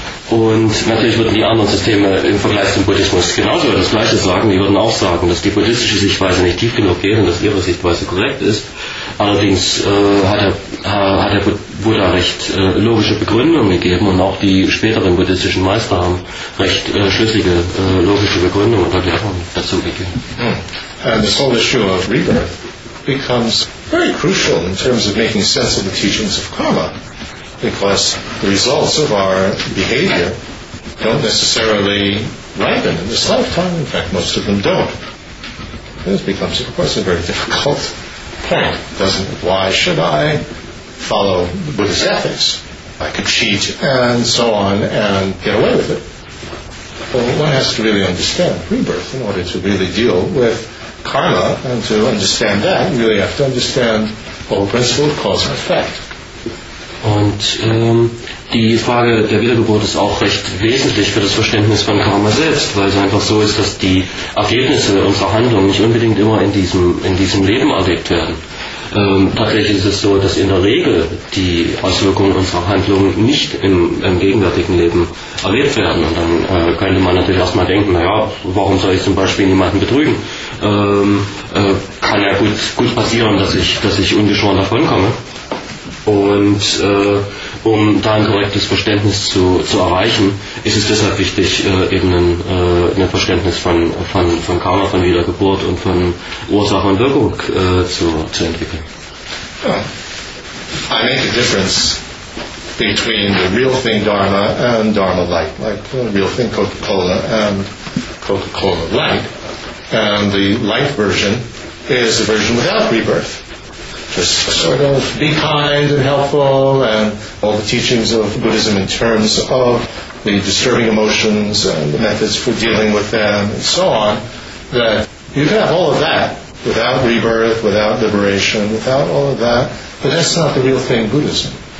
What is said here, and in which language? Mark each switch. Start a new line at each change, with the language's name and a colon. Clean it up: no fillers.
German: Und natürlich würden die anderen Systeme im Vergleich zum Buddhismus genauso das Gleiche sagen. Die würden auch sagen, dass die buddhistische Sichtweise nicht tief genug geht und dass ihre Sichtweise korrekt ist. Allerdings hat der Buddha recht logische Begründungen gegeben, und auch die späteren buddhistischen Meister haben recht schlüssige logische Begründungen und Erklärungen dazu gegeben.
English: And this whole issue of rebirth becomes very crucial in terms of making sense of the teachings of karma, because the results of our behavior don't necessarily ripen in this lifetime. In fact, most of them don't. This becomes, of course, a very difficult point, doesn't it? Why should I follow Buddhist ethics? I could cheat and so on and get away with it. Well, one has to really understand rebirth in order to really deal with karma, and to understand that, you really have to understand the whole principle of cause and effect.
German: Und die Frage der Wiedergeburt ist auch recht wesentlich für das Verständnis von Karma selbst, weil es einfach so ist, dass die Ergebnisse unserer Handlung nicht unbedingt immer in diesem Leben erlebt werden. Tatsächlich ist es so, dass in der Regel die Auswirkungen unserer Handlungen nicht im gegenwärtigen Leben erlebt werden. Und dann könnte man natürlich erstmal denken, naja, warum soll ich zum Beispiel niemanden betrügen? Kann ja gut passieren, dass ich ungeschoren davonkomme. Und um da ein korrektes Verständnis zu erreichen, ist es deshalb wichtig, eben ein Verständnis von Karma, von Wiedergeburt und von Ursache und Wirkung zu entwickeln.
English: Yeah. I make a difference between the real thing Dharma and Dharma light, like the real thing Coca-Cola and Coca-Cola light. And the light version is the version without rebirth. Just sort of be kind and helpful, and all the teachings of Buddhism in terms of the disturbing emotions and the methods for dealing with them and so on, that you can have all of that without rebirth, without liberation, without all of that, but that's not the real thing, Buddhism.